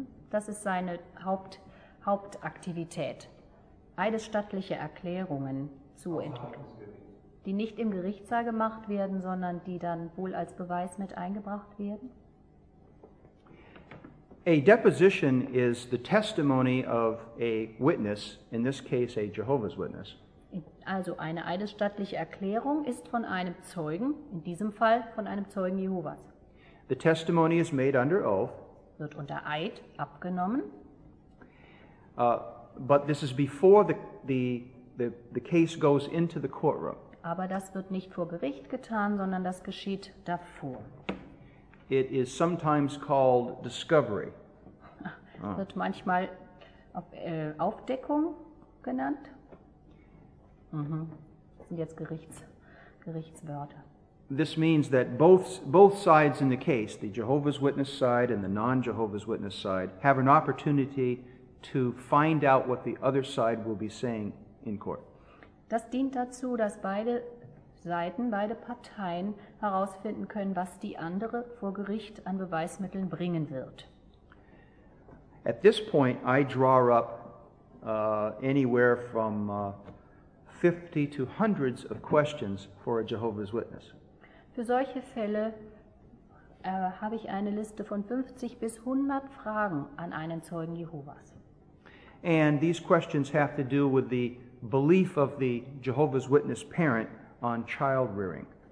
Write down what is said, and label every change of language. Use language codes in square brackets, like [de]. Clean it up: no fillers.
[de] Das ist seine Hauptaktivität. Eidesstattliche Erklärungen zu entwickeln, die nicht im Gerichtssaal gemacht werden, sondern die dann wohl als Beweis mit eingebracht werden? [en] A deposition is the testimony of a witness, in this case a Jehovah's Witness. [de] Also eine eidesstattliche Erklärung ist von einem Zeugen, in diesem Fall von einem Zeugen Jehovas. [en] The testimony is made under oath. [de] Wird unter Eid abgenommen. [en] But this is before the case goes into the courtroom. [de] Aber das wird nicht vor Gericht getan, sondern das geschieht davor. [en] It is sometimes called discovery. [de] Wird manchmal Aufdeckung genannt. Das sind jetzt Gerichtswörter. [en] This means that both sides in the case, the Jehovah's Witness side and the non-Jehovah's Witness side, have an opportunity to find out what the other side will be saying in court. [de] Das dient dazu, dass beide Seiten, beide Parteien herausfinden können, was die andere vor Gericht an Beweismitteln bringen wird. [en] At this point, I draw up anywhere from 50 to hundreds of questions for a Jehovah's Witness. [de] Für solche Fälle habe ich eine Liste von 50 bis 100 Fragen an einen Zeugen Jehovas. [en] And these questions have to do with the belief of the Jehovah's Witness parent on child rearing.